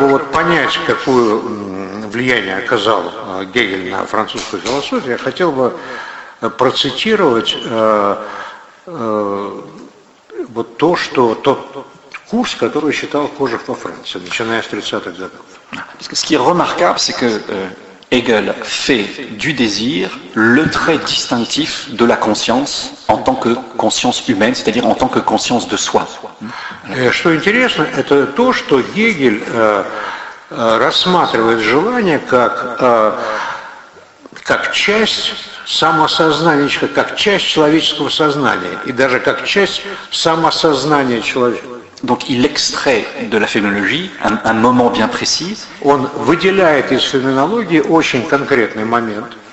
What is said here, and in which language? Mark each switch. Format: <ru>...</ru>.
<fr>Donc,</fr> <ru>для того, чтобы вот понять, какое влияние оказал Гегель на французскую философию, я хотел бы процитировать вот то, что тот курс, который считал Кожев во Франции, начиная с 30-х годов.</ru> <fr>Ce qui est remarquable, c'est que Hegel fait du désir le trait distinctif de la conscience en tant que conscience humaine, c'est-à-dire en tant que conscience de soi.</fr> <ru>Что интересно, это то, что Гегель рассматривает желание как часть самосознания, как часть человеческого сознания, и даже как часть самосознания человека.</ru> <fr>Donc il extrait de la phénoménologie un moment bien précis.</fr> <ru>Он выделяет из феноменологии очень конкретный момент.</ru>